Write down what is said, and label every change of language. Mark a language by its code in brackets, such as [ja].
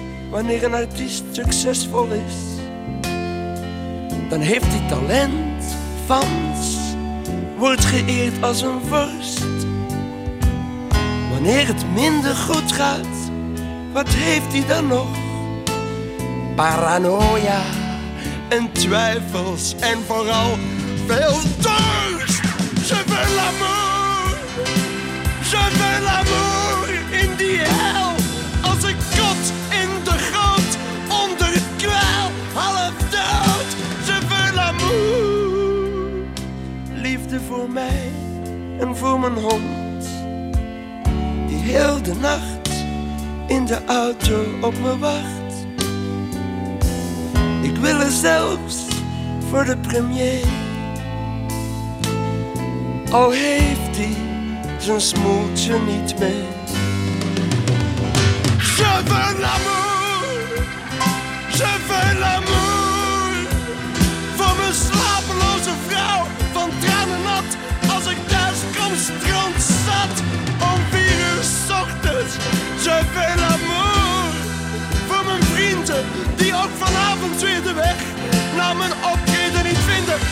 [nl] Wanneer een artiest succesvol is, dan heeft hij talent, fans, wordt geëerd als een vorst. Wanneer het minder goed gaat, wat heeft hij dan nog? Paranoia. En twijfels en vooral veel dorst. [fr] Je veux l'amour, je veux l'amour [nl] in die hel. Als een kat in de grond, onder het kwel, half dood. [fr] Je veux l'amour, [nl] liefde voor mij en voor mijn hond. Die heel de nacht in de auto op me wacht. Ik wil er zelfs voor de premier. Al heeft hij zijn smoeltje niet mee. [fr] Je veux l'amour, je veux l'amour. [nl] Voor mijn slapeloze vrouw, van tranen nat. Als ik thuis kom, strand zat. Om 4 uur 's ochtends, [fr] je veux l'amour. [nl] Voor mijn vrienden. Die ook vanavond weer de weg naar mijn optreden niet vinden.